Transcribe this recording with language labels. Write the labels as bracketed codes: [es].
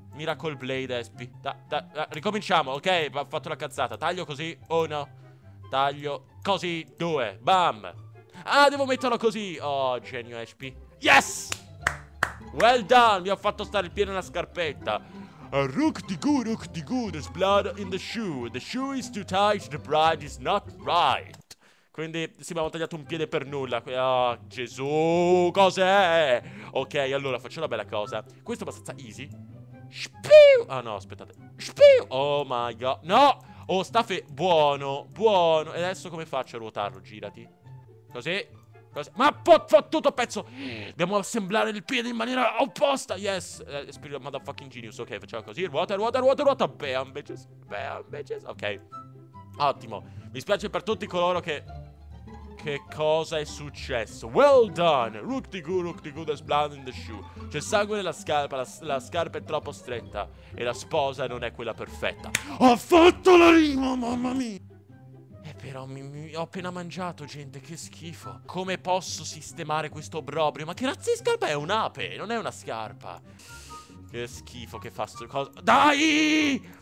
[it] Miracle Blade, Espi. Ricominciamo, ok? Ho fatto la cazzata. Taglio così, uno. Taglio così, due. Bam. Ah, devo metterlo così. Oh, genio, HP. [en] Yes! Well done! [it] Mi ha fatto stare il piede nella scarpetta. [en] Rook di goo, there's blood in the shoe. The shoe is too tight, the bride is not right. [it] Quindi, sì, mi hanno tagliato un piede per nulla. Oh, Gesù, cos'è? Ok, allora, faccio una bella cosa. Questo è abbastanza easy. Spiu! Ah, no, aspettate. Spiu! [en] Oh, my God. No! [it] Oh, staffe, buono, buono. E adesso come faccio a ruotarlo? Girati. Così. Così. Ma fottuto pezzo. Dobbiamo assemblare il piede in maniera opposta. [en] Yes. [it] Spirito [en] motherfucking genius. [it] Ok, facciamo così. Ruota. [en] Bam, bitches. Bam, bitches. [it] Ok. Ottimo. Mi spiace per tutti coloro che... che cosa è successo? [en] Well done. Rook di goo, there's blood in the shoe. [it] C'è sangue nella scarpa. La scarpa è troppo stretta. E la sposa non è quella perfetta. Ho fatto la rima, mamma mia. Però ho appena mangiato, gente, che schifo. Come posso sistemare questo obbrobrio? Ma che razza di scarpa è? Un'ape, non è una scarpa. Che schifo che fa sto cosa. Dai!